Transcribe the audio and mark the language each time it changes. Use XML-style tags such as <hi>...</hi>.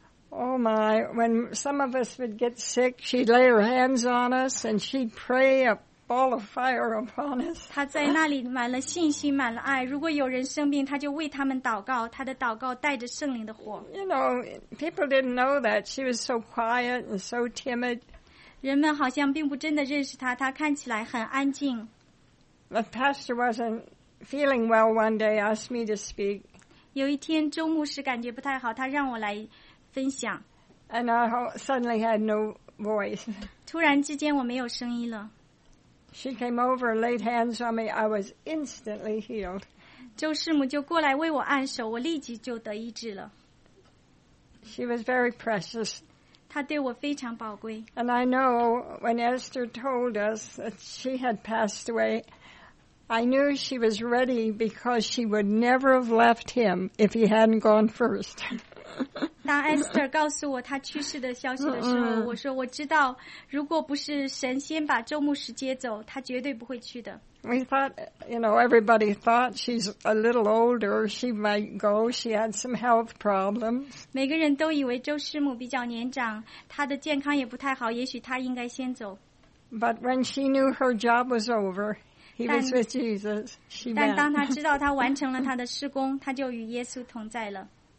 <en>Oh my, when some of us would get sick, she'd lay her hands on us and she'd pray a ball of fire upon us.</en> <zh>她在那里满了信心，满了爱。如果有人生病，她就为他们祷告，她的祷告带着圣灵的火。</zh> <en>You know, people didn't know that. She was so quiet and so timid.</en> <zh>人们好像并不真的认识她，她看起来很安静。</zh> <en>The pastor wasn't feeling well one day, asked me to speak.</en> <zh>有一天，周牧师感觉不太好，他让我来分享。</zh> <en>And I suddenly had no voice.</en> <zh>突然之间我没有声音了。</zh> <en>She came over and laid hands on me. I was instantly healed.</en> <zh>周师母就过来为我按手，我立即就得医治了。</zh> <en>She was very precious.</en> <zh>她对我非常宝贵。</zh> <en>And I know when Esther told us that she had passed away, I knew she was ready because she would never have left him if he hadn't gone first.</en> <zh>当 Esther 告诉我她去世的消息的时候，我说我知道，如果不是神先把周牧师接走，她绝对不会去的。</zh> <en>We thought, you know, everybody thought she's a little older, she might go, she had some health problems.</en> <zh>每个人都以为周师母比较年长，她的健康也不太好，也许她应该先走。</zh> <en>But when she knew her job was over, he was with Jesus, she went.</en> <zh>但当她知道她完成了她的事工，她就与耶稣同在了。</zh>